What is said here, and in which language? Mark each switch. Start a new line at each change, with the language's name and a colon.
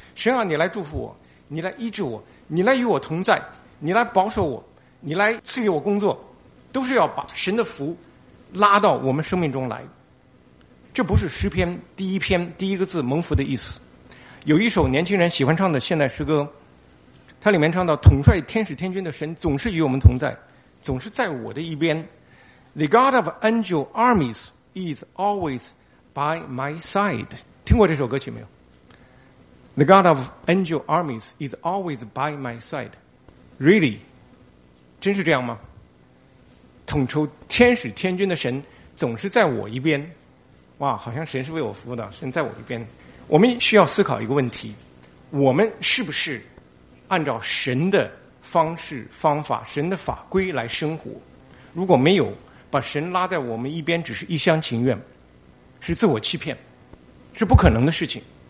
Chinese: 神啊，你来祝福我，你来医治我，你来与我同在，你来保守我，你来赐予我工作，都是要把神的福拉到我们生命中来。这不是诗篇第一篇第一个字蒙福的意思。有一首年轻人喜欢唱的现代诗歌，它里面唱到统帅天使天君的神总是与我们同在，总是在我的一边。
English: The God of Angel Armies is always by my side。
Chinese: 听过这首歌曲没有？
English: The God of Angel Armies is always by my side。
Chinese: Really? 真是这样吗？统筹天使天君的神总是在我一边，哇，好像神是为我服务的，神在我一边。我们需要思考一个问题，我们是不是按照神的方式方法神的法规来生活，如果没有把神拉在我们一边只是一厢情愿，是自我欺骗，是不可能的事情。